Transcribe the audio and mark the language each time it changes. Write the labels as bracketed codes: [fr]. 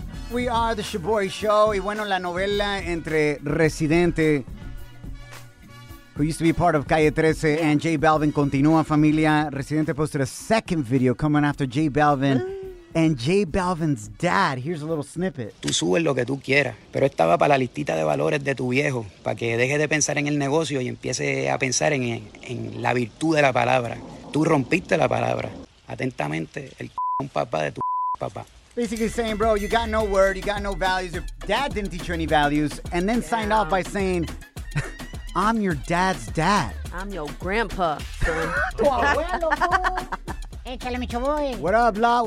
[en] We are the Shaboy Show. [es] Y bueno, la novela entre Residente, [en] who used to be part of Calle 13, and J Balvin [es] continúa, familia. [en] Residente posted a second video coming after J Balvin. And J Balvin's dad, here's a little snippet. [es] Tú subes lo que tú quieras, pero estaba para la listita de valores de tu viejo, para que deje de pensar en el negocio y empiece a pensar en la virtud de la palabra. Tú rompiste la palabra. Atentamente, el papá de tu papá. [en] Basically saying, bro, you got no word, you got no values. Your dad didn't teach you any values. And then signed off by saying, I'm your dad's dad. I'm your grandpa, son. [es] Tu abuelo, [en] boy. What up, lot?